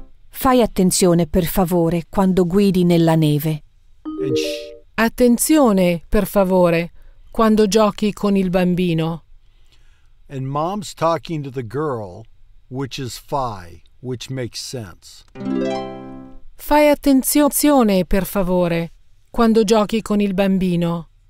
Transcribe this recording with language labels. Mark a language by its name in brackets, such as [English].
[Italian] Fai attenzione, per favore, quando guidi nella neve. Attenzione, per favore, quando giochi con il bambino. [English] And mom's talking to the girl, which is fai, which makes sense. [Italian] Fai attenzione, per favore, quando giochi con il bambino.